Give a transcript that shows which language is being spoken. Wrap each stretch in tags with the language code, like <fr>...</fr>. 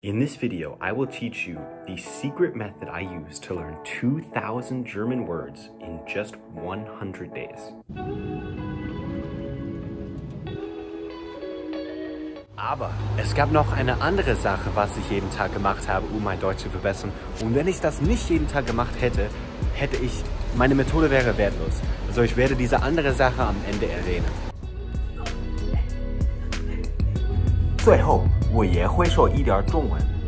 <en>In this video, I will teach you the secret method I use to learn 2,000 German words in just 100 days.</en> <de>Aber es gab noch eine andere Sache, was ich jeden Tag gemacht habe, um mein Deutsch zu verbessern. Und wenn ich das nicht jeden Tag gemacht hätte, meine Methode wäre wertlos. Also ich werde diese andere Sache am Ende erwähnen.</de> <zh>最后，我也会说一点中文。</zh>